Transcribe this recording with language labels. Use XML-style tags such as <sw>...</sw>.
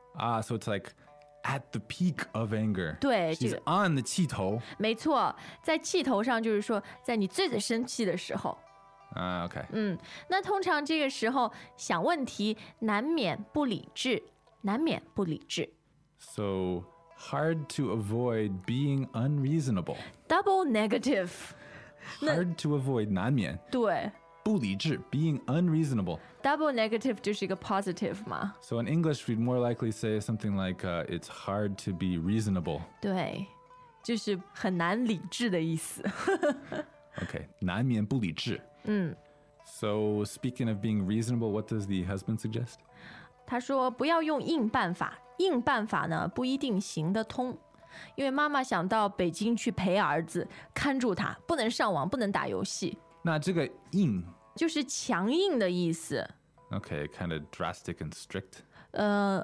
<en>啊、So it's like at the peak of anger</en> <zh>对</zh> <en>She's、</en> <zh>这个、</zh> <en>on the 气头</en> <zh>没错在气头上就是说在你最最生气的时候</zh> <en>啊、OK</en> <zh>嗯，那通常这个时候想问题难免不理智难免不理智</zh> <en>SoHard to avoid being unreasonable. Double negative. Hard to avoid</en> <zh>难免。对。不理智</zh> <en>being unreasonable. Double negative</en> <zh>就是一个 positive 嘛。</zh> <en>So in English, we'd more likely say something like, it's hard to be reasonable.</en> <zh>对。就是很难理智的意思。 OK, 难免不理智。嗯。</zh> <en>So speaking of being reasonable, what does the husband suggest?</en> <zh>他说不要用硬办法，硬办法呢不一定行得通。因为妈妈想到北京去陪儿子，看住他，不能上网，不能打游戏。那这个硬就是强硬的意思。</zh> <en>Okay, kind of drastic and strict.</en>